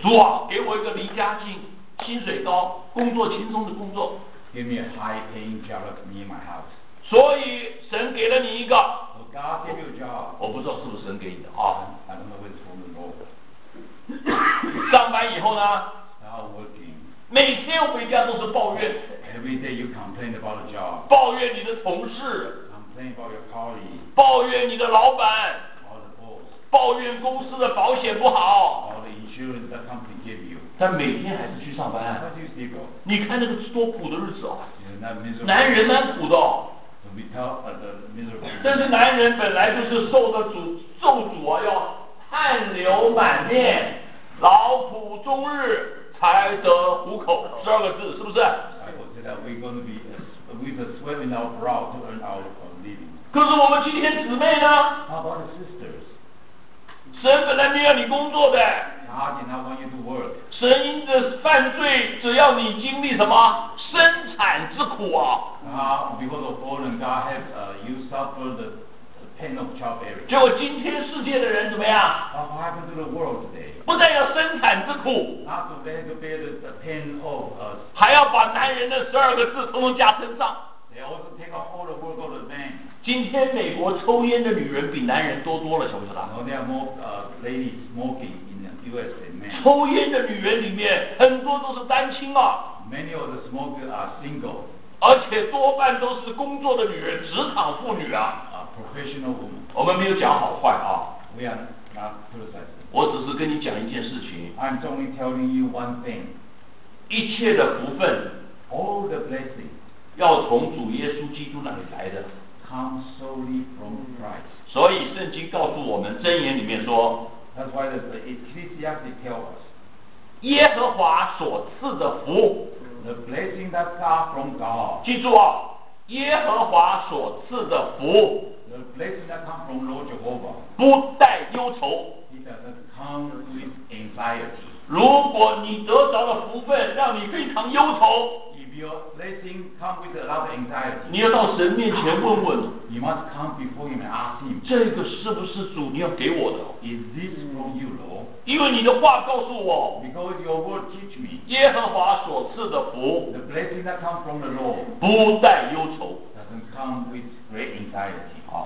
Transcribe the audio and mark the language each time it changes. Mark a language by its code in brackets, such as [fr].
[zh] 主啊，给我一个离家近、薪水高、工作轻松的工作。 [en] Give me a high-paying job near my house. [zh] 所以神给了你一个。 [en] So God gave you a job. [zh] 我不知道是不是神给你的啊。 [en] I don't know which one is wrong. [zh] 上班以后呢 [en] ？Start working. [zh] 每天回家都是抱怨。 [en] Every day you complain about a job. [zh] 抱怨你的同事。 [en] About your colleague, [zh] 抱怨你的老板 [en] about the boss, [zh] 抱怨公司的保险不好 [en] about the insurance that company gave you, [zh] 但每天还是去上班 [en] how do you still go? [zh] 你看那个多苦的日子、啊、 [en] miserable, [zh] 男人蛮苦的、 [en] so we tell, the miserable, [zh] 但是男人本来就是受的主咒诅啊要汗流满面劳苦终日才得糊口十二个字是不是 [en] I would say that we're going to be with a sweat in our brow to earn ourliving. [zh] 可是我们今天姊妹呢 [en] ？How about the sisters? [zh] 神本来没有你工作的。 [en] God did not want you to work. [zh] 神因着犯罪，只要你经历什么生产之苦啊 [en] ？Because of fallen, God has you suffered the pain of childbearing. [zh] 结果今天世界的人怎么样 [en] ？How happened to the world today? [zh] 不再要生产之苦。 [en] Not to bear the pain of us. [zh] 还要把男人的十二个字统统加身上。 [en] They also take a whole world of men. [zh] 今天美国抽烟的女人比男人多多了，晓不晓得 [en] ？No, there are more ladies smoking in the U.S. than men. [zh] 抽烟的女人里面很多都是单亲啊。 [en] Many of the smokers are single. [zh] 而且多半都是工作的女人，职场妇女啊。 [en] Professional woman. [zh] 我们没有讲好坏啊。 [en] We are not criticizing. [zh] 我只是跟你讲一件事情。 [en] I'm only telling you one thing. [zh] 一切的福分 [en] ，all the blessings. [zh] 要从主耶稣基督那里来的 [en] ，come solely from Christ。 [zh] 所以圣经告诉我们，箴言里面说 [en] ，That's why the Ecclesiastes tell us， [zh] 耶和华所赐的福 [en] ，the blessing that comes from God。 [zh] 记住啊，耶和华所赐的福 [en] ，the blessing that comes from Lord Jehovah， [zh] 不带忧愁 [en] ，it doesn't come with anxiety。 [zh] 如果你得着的福分让你非常忧愁。 [en] Your blessing come with a lot of anxiety. [zh] 你要到神面前问问。 [en] You must come before him and ask him. [zh] 这个是不是主你要给我的 [en] ？Is this from you, Lord? [zh] 因为你的话告诉我。 [en] Because your word teach me. [zh] 耶和华所赐的福。 [en] The blessing that come from the Lord. [zh] 不带忧愁。 [en] Doesn't come with great anxiety.